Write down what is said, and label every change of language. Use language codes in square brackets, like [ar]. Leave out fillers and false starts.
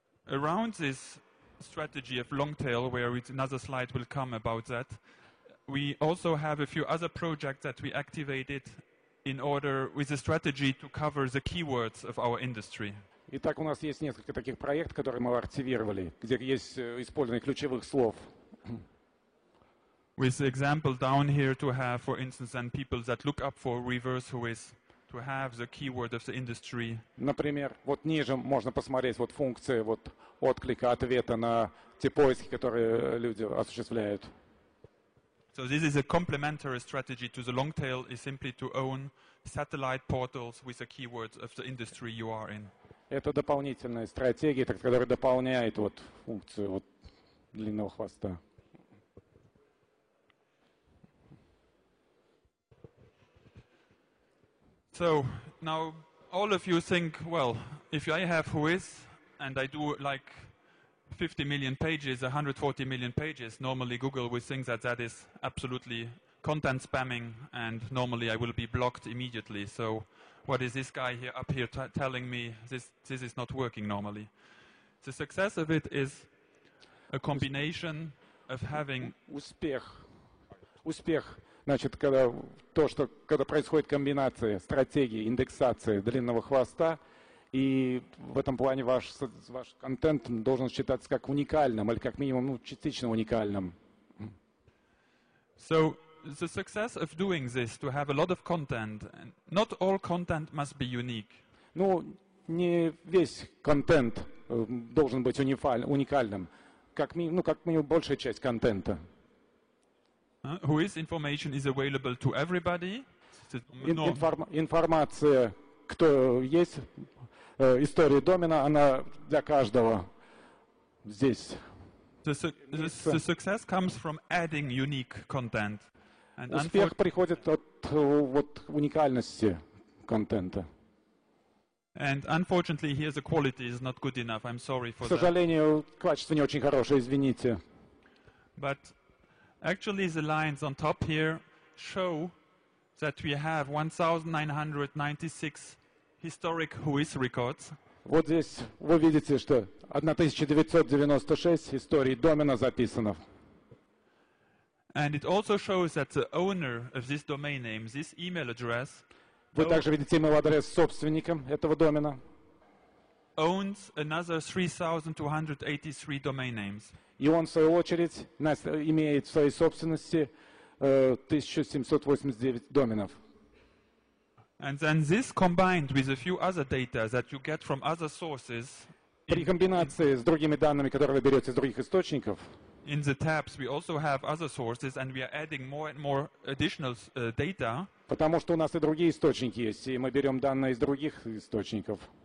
[en] Around this strategy of long tail, where another slide will come about that, we also have a few other projects that we activated in order with a strategy to cover the keywords of our industry. [ru] Итак, у нас есть несколько таких проектов, которые мы активировали, где есть использование ключевых слов. [en] With the example down here to have, for instance, then people that look up for reverse whois to have the keyword of the industry. [ru] Например, вот ниже можно посмотреть вот функции вот отклика ответа на те поиски, которые люди осуществляют. [en] So this is a complementary strategy to the long tail, is simply to own satellite portals with the keywords of the industry you are in. [ru] Это дополнительная стратегия, которая дополняет вот функцию вот длинного хвоста. [en] So now all of you think, well, if I have whois and I do like 50 million pages, 140 million pages, normally Google will think that that is absolutely content spamming and normally I will be blocked immediately. So what is this guy here up here telling me? This is not working normally. The success of it is a combination of having [ru] успех. Значит, когда то, что когда происходит комбинация стратегии индексации длинного хвоста, и в этом плане ваш контент должен считаться как уникальным или как минимум частично уникальным. [en] So the success of doing this to have a lot of content, not all content must be unique. [ru] Ну, не весь контент должен быть уникальным, как минимум большая часть контента. [en] Who is information is available to everybody? [ru] Информация, кто есть, история домена, она для каждого здесь. [en] The success comes from adding unique content. [ru] Успех приходит от уникальности контента. [en] And unfortunately, here the quality is not good enough. I'm sorry for that. [ru] К сожалению, качество не очень хорошее. Извините. [en] But actually, the lines on top here show that we have 1,996 historic WHOIS records. [ru] Вот здесь вы видите, что 1,996 историй домена записано. [en] And it also shows that the owner of this domain name, this email address. [ru] Вы также видите email-адрес собственника этого домена. [en] Owns another 3,283 domain names. [ru] И он, в свою очередь, имеет в своей собственности 1,789 доменов. [en] And then this combined with a few other data that you get from other sources. [ru] При комбинации с другими данными, которые вы берете из других источников. [en] In the tabs we also have other sources and we are adding more and more additional data. [ru] Потому что у нас и другие источники есть, и мы берем данные из других источников.